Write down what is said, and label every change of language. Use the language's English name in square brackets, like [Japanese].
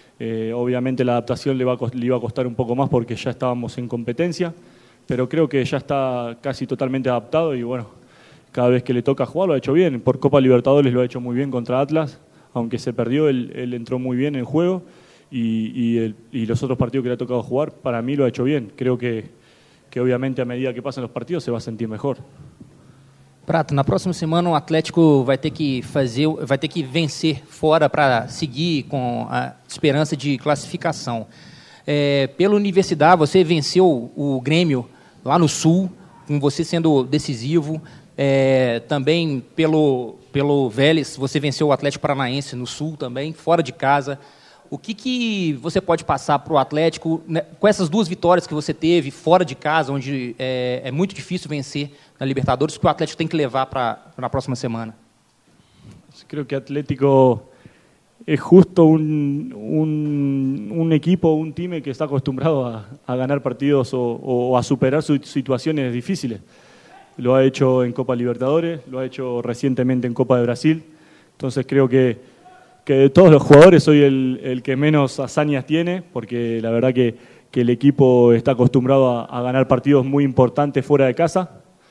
[Spanish] Obviamente la adaptación le iba a costar un poco más porque ya estábamos en competencia, pero creo que ya está casi totalmente adaptado y bueno, cada vez que le toca jugar lo ha hecho bien. Por Copa Libertadores lo ha hecho muy bien contra Atlas, aunque se perdió, él entró muy bien en el juego y los otros partidos que le ha tocado jugar, para mí lo ha hecho bien. Creo que obviamente a medida que pasan los partidos se va a sentir mejor. [Portuguese] Prato, na próxima semana o Atlético vai ter que vencer fora para seguir com a esperança de classificação. Pela Universidade, você venceu o Grêmio lá no Sul, com você sendo decisivo. Também pelo Vélez, você venceu o Atlético Paranaense no Sul também, fora de casa. O que você pode passar para o Atlético, né, com essas duas vitórias que você teve fora de casa, onde é muito difícil vencer na Libertadores, que o Atlético tem que levar para a próxima semana? Eu creo que o Atlético é justo um equipo, um time que está acostumbrado a ganhar partidos ou a superar situações difíceis. [Spanish] Lo ha hecho en Copa Libertadores, lo ha hecho recientemente en Copa de Brasil. Entonces creo que de todos los jugadores soy el que menos hazañas tiene, porque la verdad que el equipo está acostumbrado a ganar partidos muy importantes fuera de casa.